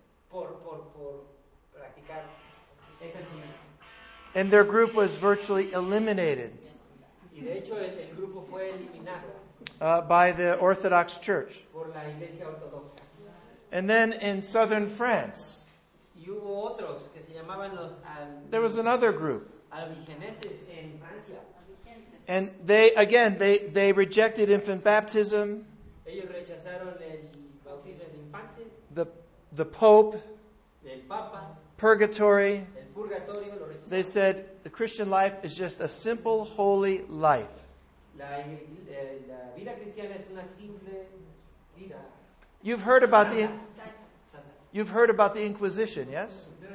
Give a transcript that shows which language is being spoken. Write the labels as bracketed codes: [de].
[es] por practicar esta enseñanza. [en] And their group was virtually eliminated. [es] Y de hecho el grupo fue eliminado. [en] By the Orthodox Church. [es] Por la Iglesia Ortodoxa. [en] And then in southern France. [es] Y hubo otros que se llamaban los [en] there was another group. [es] Albigenses en Francia. [en] And they rejected infant baptism. [es] Ellos rechazaron el bautismo de infantes. [en] The Pope. [es] El Papa. [en] Purgatory. [es] El purgatorio lo rechazaron. [en] They said the Christian life is just a simple holy life. [es] La vida cristiana es una simple vida. [en] You've heard about the You've heard about the Inquisition, yes?